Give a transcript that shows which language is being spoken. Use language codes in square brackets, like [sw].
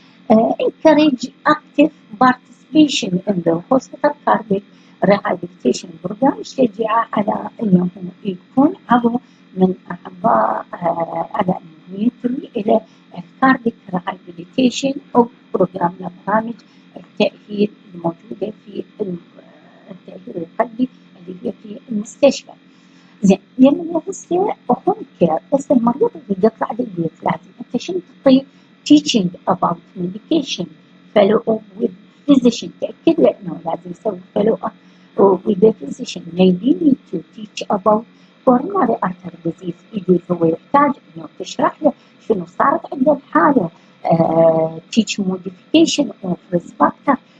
[en] encourage active participation in the hospital cardiac rehabilitation program، [ar] يشجع على انه يكون عضو من اعضاء على انه ينتمي الى [en] cardiac rehabilitation program، [ar] برامج التأهيل الموجودة في التأهيل القلبي اللي هي في المستشفى. زين يعني لما هسه هوم كير بس المريض اللي بيطلع للبيت لازم انت شنو تعطي [en] teaching about medication follow up with physician، [ar] تأكد له انه لازم يسوي [en] follow up with the physician. Maybe need to teach about coronary artery disease. [ar] إذا هو يحتاج إنه تشرح له شنو صارت عند الحالة. [en] Teach modification of risk factor.